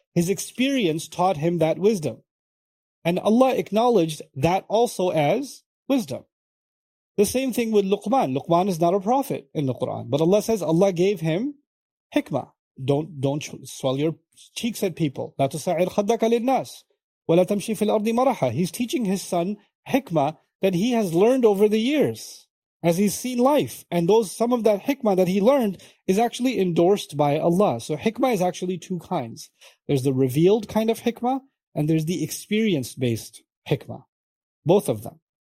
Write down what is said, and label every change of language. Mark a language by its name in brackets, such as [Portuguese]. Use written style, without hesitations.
[English] His experience taught him that wisdom. And Allah acknowledged that also as wisdom. The same thing with Luqman. Luqman is not a prophet in the Quran. But Allah says Allah gave him hikmah. Don't swell your cheeks at people. [Arabic] لا تسعر خدك للناس ولا تمشي في الأرض مرحا. [English] He's teaching his son hikmah that he has learned over the years, as he's seen life. And those, some of that hikmah that he learned is actually endorsed by Allah. So hikmah is actually two kinds. There's the revealed kind of hikmah, and there's the experience-based hikmah. Both of them.